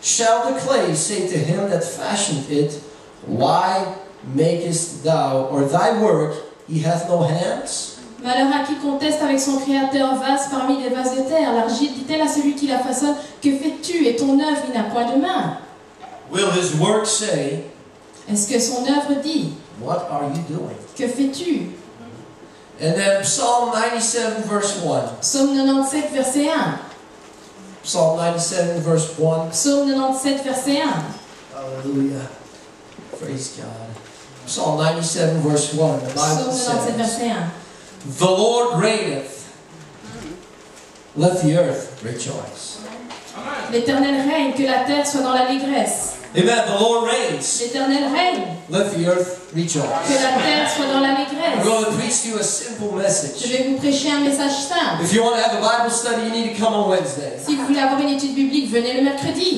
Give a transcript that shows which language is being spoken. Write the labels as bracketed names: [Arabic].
[English] Shall the clay say to him that fashioned it, Why makest thou, or thy work, he hath no hands? [French] Malheur à qui conteste avec son créateur vase parmi les vases de terre. L'argile dit-elle à celui qui la façonne, Que fais-tu, et ton œuvre, il n'a point de main? [English] Will his work say, [French] Est-ce que son œuvre dit, [English] What are you doing? [French] Que fais-tu? [English] And then Psalm 97, verse 1. [French] Psalm 97, verset 1. [English] Psalm 97, verse 1. [French] Psalm 97, verset 1. [English] Hallelujah. Praise God. Psalm 97, verse 1. The Bible Psalm 97, says, verse 1. The Lord reigneth. Let the earth rejoice. [French] L'Éternel règne, que la terre soit dans l'allégresse. [English] Amen. The Lord reigns. [French] L'Éternel règne. [English] Let the earth rejoice. [French] Que la terre soit dans l'allégresse. [English] I'm going to preach to you a simple message. [French] Je vais vous prêcher un message simple. [English] If you want to have a Bible study, you need to come on Wednesday. [French] Si vous voulez avoir une étude biblique, venez le mercredi.